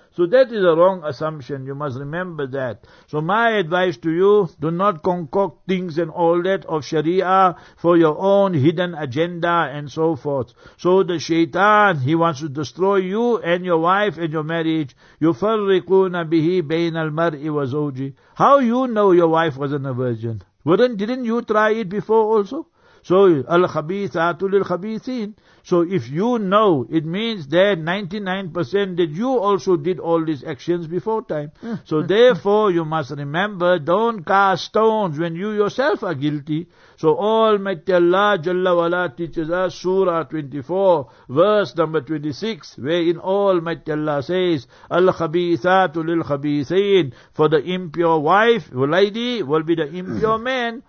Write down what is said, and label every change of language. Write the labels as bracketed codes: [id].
[en] So that is a wrong assumption. You must remember that. So my advice to you, do not concoct things and all that of Sharia for your own hidden agenda and so forth. So the shaitan, he wants to destroy you and your wife and your marriage. [ar] يُفَرِّقُونَ بِهِ بَيْنَ الْمَرْءِ وَزَوْجِهِ. [en] How you know your wife wasn't a virgin? Didn't you try it before also? [ar] So, الْخَبِيثَاتُ لِلْخَبِيثِينَ. [en] So if you know, it means that 99% that you also did all these actions before time. So therefore, you must remember, don't cast stones when you yourself are guilty. So Almighty Allah Jalla Wala teaches us Surah 24, verse number 26, wherein Almighty Allah says, [ar] Al-Khabithatu lil-Khabithin, [en] for the impure wife, lady, will be the impure man.